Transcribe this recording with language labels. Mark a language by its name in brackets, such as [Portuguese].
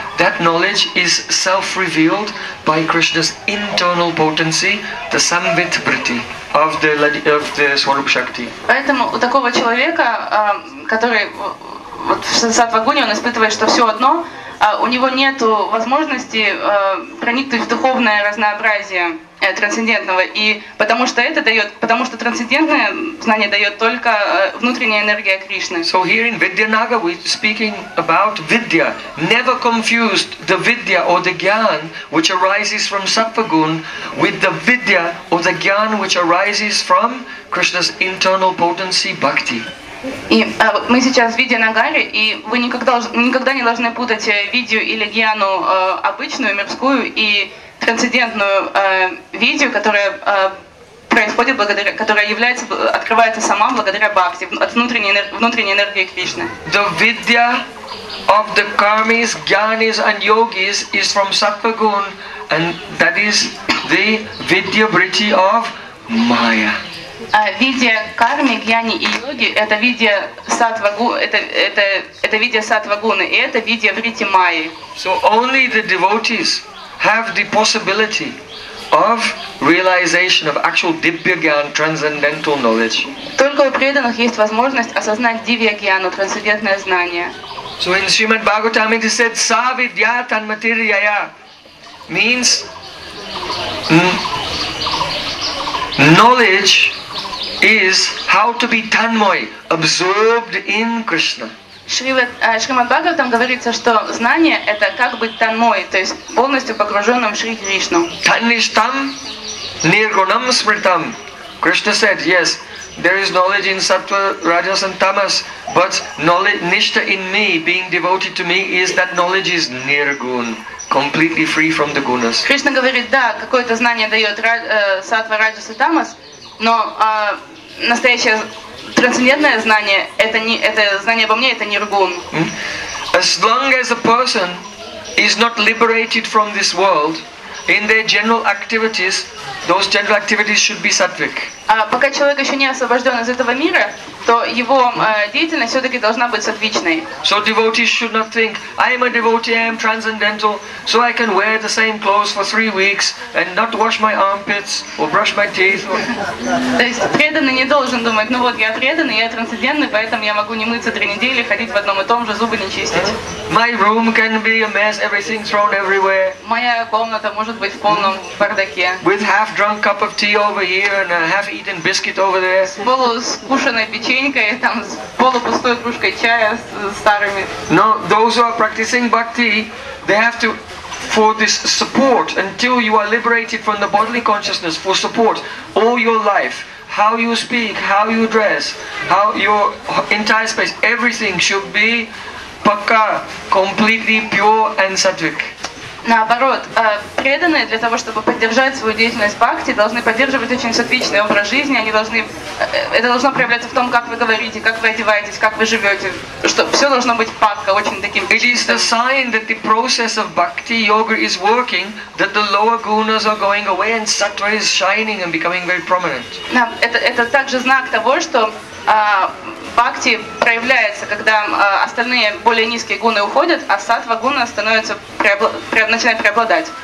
[English] That knowledge is self-revealed by Krishna's internal potency, the samvit-briti of the swarup-shakti. [Russian] Поэтому у такого человека, который вот в сатва-гуне, он испытывает, что все одно, у него нету возможности проникнуть в духовное разнообразие трансцендентного, и потому что это дает, потому что трансцендентное знание дает только внутренняя энергия Кришны. [English] So here in Vidyanaga we're speaking about vidya. Never confuse the vidya or the gyan which arises from sattva-gun with the vidya or the gyan which arises from Krishna's internal potency bhakti. [Russian] И мы сейчас в Видья-нагаре, и вы никогда не должны путать Видью или Гьяну обычную, мирскую, и трансцендентную Видью, которая происходит благодаря, которая является, открывается сама благодаря Бхакти, от внутренней энергии Кришны. [English] The Vidya of the Karmis, Gyanis and Yogis is from Sattva-gun, and that is the Vidya-vritti of Maya. [Russian] Видья карми, гьяни и йоги – это видья сатва-гуны, это видья сатва-гуны, и это видья вритти майи. [English] So only the devotees have the possibility of realization of actual dibhya-gyan, transcendental knowledge. [Russian] Только у преданных есть возможность осознать дивья-гьяну, трансцендентное знание. [English] So in Srimad Bhagavatam it is said, [Sanskrit] sa vidya tan matiryaya [English] means knowledge is how to be tanmoy, absorbed in Krishna. [Russian] Шримад Бхагаватам говорится, что знание – это как быть танмой, то есть полностью погруженным в Шри Кришну. [Sanskrit] Таништам ниргунам смритам. [English] Krishna said, yes, there is knowledge in sattva, rajas and tamas, but knowledge, nishta in me, being devoted to me, is that knowledge is nirgun. Completely free from the gunas. [Russian] Кришна говорит, да, какое-то знание дает сатва, раджас и тамас, но настоящее трансцендентное знание, это знание обо мне, это ниргун. [English] As long as a person is not liberated from this world, in their general activities, those general activities should be sattvic. [Russian] Пока человек еще не освобожден из этого мира, то его деятельность все-таки должна быть сатвичной. [English] So devotees should not think, I am a devotee, I am transcendental, so I can wear the same clothes for 3 weeks and not wash my armpits or brush my teeth. [Russian] То есть преданный не должен думать, ну вот я преданный, я трансцендентный, поэтому я могу не мыться 3 недели, ходить в одном и том же, зубы не чистить. [English] My room can be a mess, everything thrown everywhere. [Russian] Моя комната может быть в полном бардаке. [English] With half drunk cup of tea over here and a half eaten biscuit over there. [Russian] Было скушенной печенькой, там с полупустой кружкой чая с старыми. [English] No, those who are practicing bhakti, they have to, for this support, until you are liberated from the bodily consciousness, for support, all your life, how you speak, how you dress, how your entire space, everything should be [Russian] пока [English] completely pure and sattvic. [Russian] Наоборот, преданные для того, чтобы поддержать свою деятельность в бхакти, должны поддерживать очень сатвичный образ жизни. Они должны, это должно проявляться в том, как вы говорите, как вы одеваетесь, как вы живете, что все должно быть пакка, очень таким. [English] It is the sign that the process of bhakti yoga is working, that the lower gunas are going away and sattva is shining and becoming very prominent. [Russian] Да, это также знак того, что бхакти проявляется, когда остальные более низкие гуны уходят, а сатва гуна становится начинает преобладать.